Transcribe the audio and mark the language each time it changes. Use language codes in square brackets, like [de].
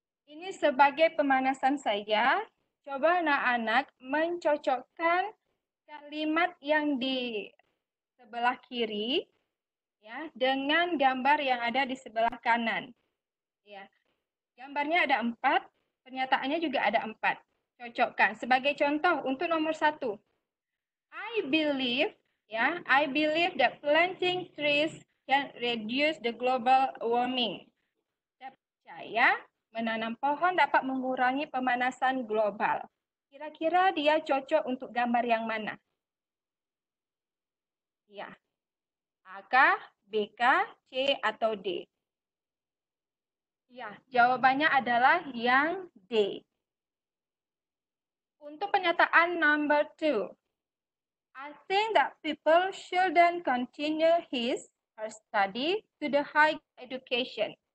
[id] Ini sebagai pemanasan saja, coba anak-anak mencocokkan kalimat yang di sebelah kiri ya dengan gambar yang ada di sebelah kanan. Ya. Gambarnya ada 4, pernyataannya juga ada 4. Cocokkan. Sebagai contoh untuk nomor 1. [en] I believe ya, I believe that planting trees can reduce the global warming. [id] Saya percaya menanam pohon dapat mengurangi pemanasan global. Kira-kira dia cocok untuk gambar yang mana? Ya. A, K, B, K, C, atau D? Ya, jawabannya adalah yang D. Untuk pernyataan number 2. [en] I think that people shouldn't continue his or study to the high education.